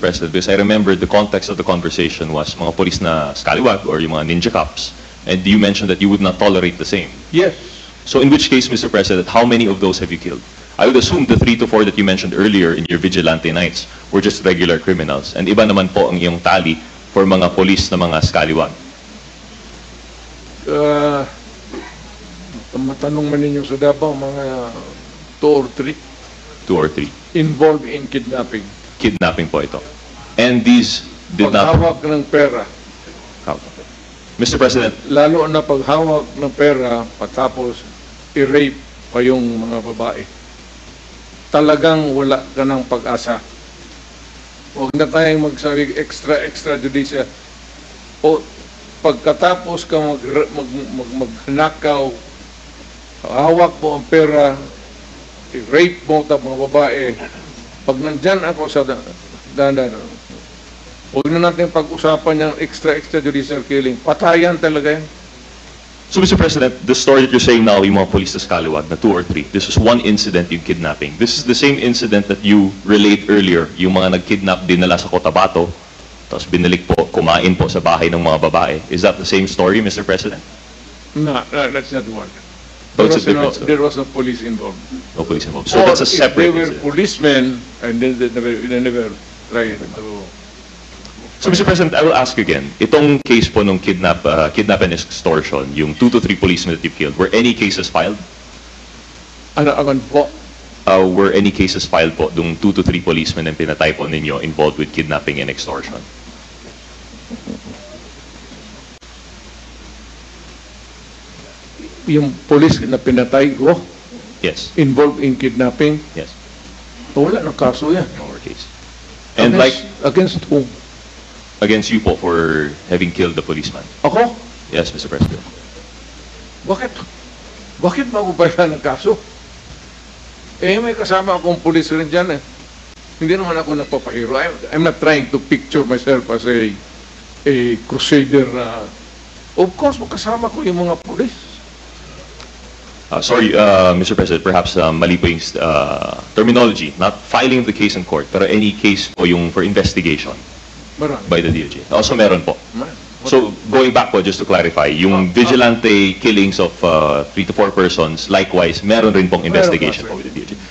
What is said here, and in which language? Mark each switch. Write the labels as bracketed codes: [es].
[en] President, because I remember the context of the conversation was mga police na scallywag or yung mga ninja cops. And you mentioned that you would not tolerate the same. Yes. So in which case, Mr. President, how many of those have you killed? I would assume the 3 to 4 that you mentioned earlier in your vigilante nights were just regular criminals. [tl] And iba naman po ang iyong tally for mga police na mga scallywag. Matanong man ninyo sa Davao, mga 2 or 3. [en] 2 or 3. Involved in kidnapping. Kidnapping [tl] po ito. [en] And these did not... [tl] Paghawak ng pera. [en] Mr. President. [tl] Lalo na paghawak ng pera patapos i-rape pa yung mga babae. Talagang wala ka ng pag-asa. Huwag na tayong magsabi extra judicial. O pagkatapos ka maghanak ka o hawak mo ang pera, i-rape mo ang mga babae. Pag nandyan ako sa dandan, huwag na natin pag-usapan yung extrajudicial killing. Patayan talaga yan. [en] So, Mr. President, the story that you're saying now, [tl] yung mga police na scallywag na 2 or 3, [en] this is one incident yung kidnapping. This is the same incident that you relate earlier, [tl] yung mga nag-kidnap din nala sa Cotabato, tapos binalik po, kumain po sa bahay ng mga babae. [en] Is that the same story, Mr. President? No, that's not one. There was no police involved. No police involved. So that's a separate. They were policemen, and then they never tried to. So, Mr. President, I will ask again. [tl] Itong case po ng [en] kidnap and extortion, yung 2 to 3 policemen that you killed, were any cases filed? [tl] Ano agan po? [en] Were any cases filed po dung 2 to 3 policemen [tl] na pinatay po ninyo [en] involved with kidnapping and extortion? [tl] Yung police na pinatay ko? [en] Yes. Involved in kidnapping? Yes. [tl] Wala na kaso yan. [en] No more case. And against, like... Against whom? Against you po for having killed the policeman. [tl] Ako? [en] Yes, Mr. President. [tl] Bakit? Bakit magubayan ng kaso? Eh, may kasama akong police rin dyan eh. Hindi naman ako nagpapahiro. [en] I'm not trying to picture myself as a crusader. [tl] Of course, magkasama ko yung mga police. [en] Sorry, Mr. President, perhaps [tl] mali po yung [en] terminology, not filing the case in court, pero any case po yung for investigation [tl] meron. [en] By the DOJ. Also [tl] meron po. Meron. [en] So going back po, just to clarify, yung vigilante killings of 3 to 4 persons, likewise, [tl] meron rin pong [en] investigation po with the DOJ.